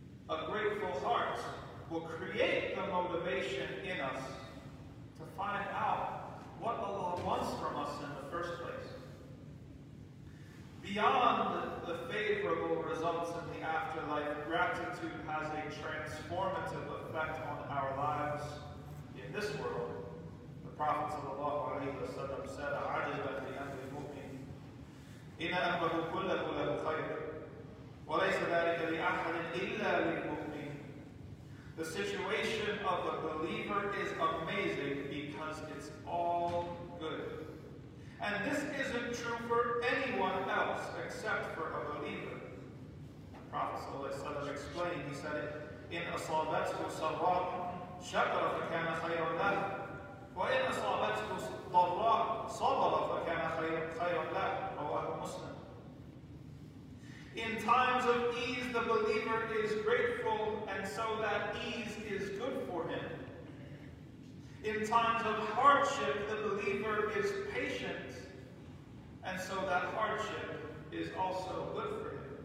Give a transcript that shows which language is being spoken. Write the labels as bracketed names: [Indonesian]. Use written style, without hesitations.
[English] a grateful heart will create the motivation in us to find out what Allah wants from us in the first place. Beyond the favorable results in the afterlife, gratitude has a transformative effect on our lives in this world. The Prophet said, [Arabic] عجب لأمر المؤمن إن أمره كله له خير وليس ذلك لأحد إلا للمؤمن. [English] The situation of a believer is amazing because it's all good. And this isn't true for anyone else except for a believer. The Prophet ﷺ explained, he said, [Arabic] إن أصابته سراء شكر فكان خيرا له وإن أصابته ضراء صبر فكان خيرا له رواه مسلم. [English] In times of ease, the believer is grateful, and so that ease is good for him. In times of hardship, the believer is patient, and so that hardship is also good for him.